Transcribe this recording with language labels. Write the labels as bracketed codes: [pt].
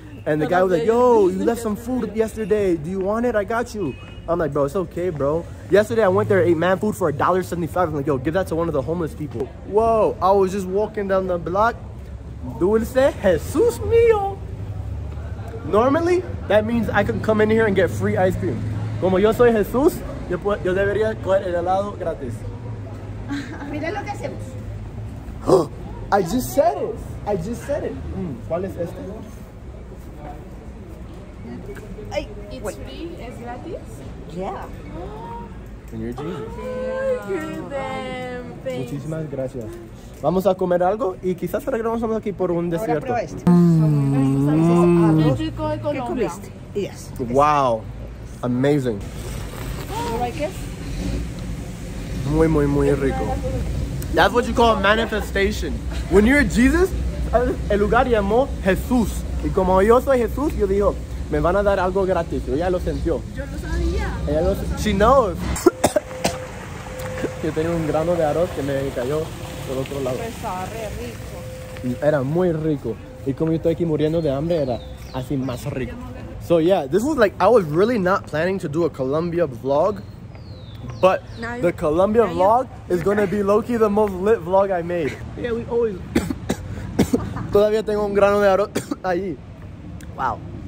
[en] And the guy was like, yo, you left some food yesterday. Do you want it? I got you. I'm like, bro, it's okay, bro. Yesterday, I went there, ate man food for $1.75. I'm like, yo, give that to one of the homeless people. Whoa, I was just walking down the block. [es] Dulce Jesus mio. [en] Normally, that means I can come in here and get free ice cream. [es] Como yo soy Jesús, yo debería coger el helado gratis. Mira lo que hacemos. [en] I just said it. [es] ¿Cuál es este? [en] It's Free, it's gratis? Yeah. And you're Jesus. Thank you. [es] Muchísimas gracias. Vamos a comer algo y quizás regresamos aquí por un desierto. Ahora prueba este. ¿Qué comiste? [en] Yes. Wow. Amazing. You like it? [es] Muy, muy, muy rico. [en] That's what you call a manifestation. When you're Jesus, [es] el lugar llamó Jesús. Y como yo soy Jesús, yo digo, me van a dar algo gratis. Ella lo sentió. Yo lo sabía. Ella lo sabía. [en] She knows. [es] Yo tenía un grano de arroz que me cayó por otro lado. Pues estaba re rico. Y era muy rico. Y como yo estoy aquí muriendo de hambre, era así más rico. [en] So yeah, this was like, I was really not planning to do a Colombia vlog, but the Colombia vlog is going to be low-key the most lit vlog I made. Yeah, we always... [es] Todavía tengo un grano de arroz ahí. [en] Wow.